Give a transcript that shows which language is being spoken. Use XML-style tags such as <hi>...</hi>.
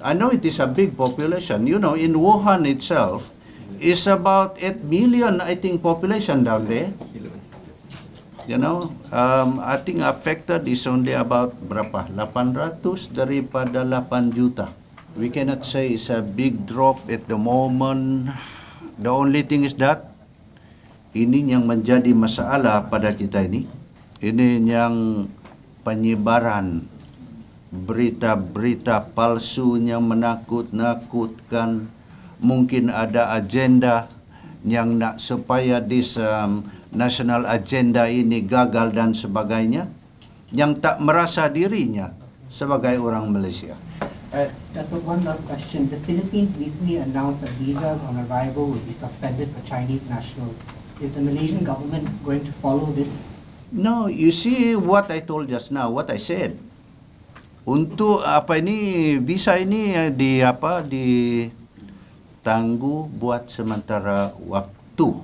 <en>I know it is a big population. You know, in Wuhan itself, it's about 8 million, I think, population down there. You know, I think affected is only about</en> <ms>berapa? 800 daripada 8 juta.</ms> <en>We cannot say it's a big drop at the moment. The only thing is that</en> <ms>ini yang menjadi masalah pada kita ini. Ini yang penyebaran berita-berita palsu yang menakut-nakutkan. Mungkin ada agenda yang nak supaya</ms> <en>this national agenda</en> <ms>ini gagal dan sebagainya. Yang tak merasa dirinya sebagai orang Malaysia.</ms> <en>Datuk, one last question. The Philippines recently announced that visas on arrival will be suspended for Chinese nationals. Is the Malaysian government going to follow this? No, you see what I told just now, what I said.</en> <ms>Untuk apa ini, visa ini ditangguh buat sementara waktu.</ms>